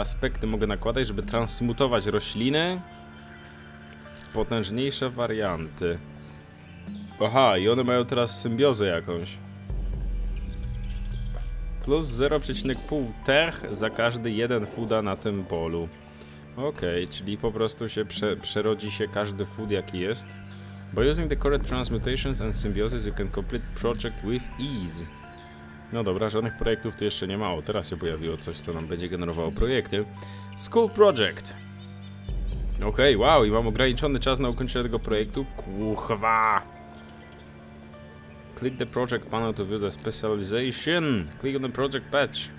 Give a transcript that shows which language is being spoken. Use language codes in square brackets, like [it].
[pl] Aspekty mogę nakładać, żeby transmutować rośliny. Potężniejsze warianty. Aha, i one mają teraz symbiozę jakąś. Plus 0,5 tech za każdy jeden fooda na tym polu. Okej, okay, czyli po prostu się przerodzi się każdy food jaki jest. [en] By using the correct transmutations and symbiosis you can complete project with ease. [pl] No dobra, żadnych projektów tu jeszcze nie ma. O, teraz się pojawiło coś, co nam będzie generowało projekty. School project. Okej, okay, wow, i mam ograniczony czas na ukończenie tego projektu. Kuchwa! [en] Click the project panel to view the specialization. Click on the project patch.